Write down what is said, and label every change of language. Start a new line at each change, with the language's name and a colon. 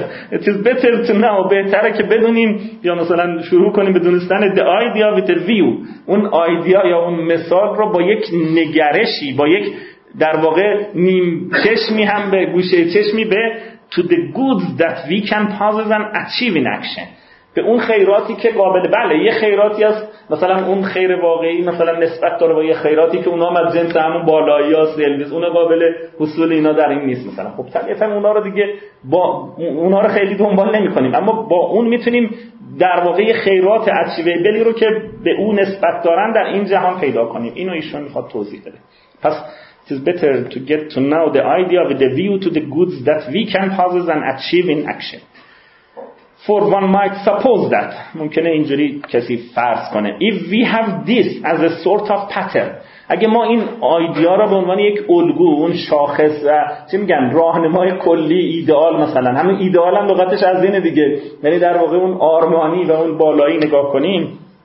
English: it is better to know،
Persian: بهتره که بدونیم یا مثلا شروع کنیم به دونستن
English: the idea with a view،
Persian: اون ایده یا اون مثال رو با یک نگرشی، با یک در واقع نیم چشمی، هم به گوشه چشمی، به
English: to the goods that we can possess and achieve in action،
Persian: به اون خیراتی که قابل، بله یه خیراتی هست مثلا اون خیر واقعی مثلا نسبت داره با یه خیراتی که اونا هم از جنس همون بالایی هست دلویز، اونا قابل حصول اینا در این نیست مثلا. خب طبیعتا اونا رو دیگه با اونا رو خیلی دنبال نمی کنیم، اما با اون میتونیم در واقع یه خیرات achievable رو که به اون نسبت دارن در این جهان پیدا کنیم. اینو ایشون میخواد توضیح بده. پس
English: it is better to get to know the idea with the view to the goods that we can possess and achieve in action. For one might suppose that،
Persian: ممکنه اینجوری کسی فرض کنه،
English: if we have this as a sort of pattern،
Persian: اگه ما این ایده ها را به عنوان یک الگو، اون شاخص و چی میگن راهنمای کلی، ایدئال مثلا، همین ایدئال هم لغتش از اینه دیگه، یعنی در واقع اون آرمانی و اون بالایی نگاه کنیم،